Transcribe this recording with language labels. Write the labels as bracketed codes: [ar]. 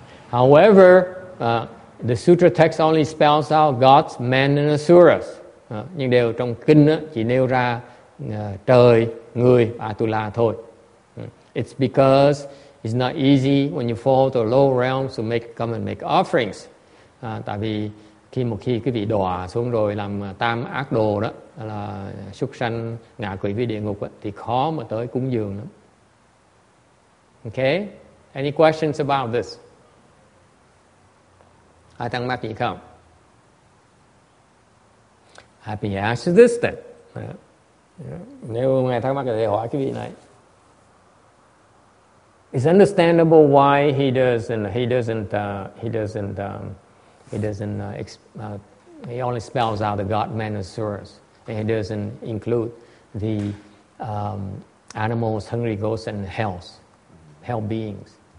[en] However, the sutra text only spells out gods, men and asuras. [vi] Nhưng đều trong kinh chỉ nêu ra trời, người, Atula thôi. [en] It's because it's not easy when you fall to a low realm to make, come and make offerings. [vi] Tại vì khi một khi quý vị đọa xuống rồi làm tam ác đồ đó, là súc sanh, ngạ quỷ với địa ngục đó, thì khó mà tới cúng dường lắm. [en] Okay? Any questions about this? [vi] Ai thắc mắc gì không? [en] Happy to answer this then. [vi] Nếu ngài thắc mắc thì hỏi quý vị này. [en] It's understandable why he doesn't, he only spells out the god man asuras, and he doesn't include the animals, hungry ghosts, and hells, hell beings.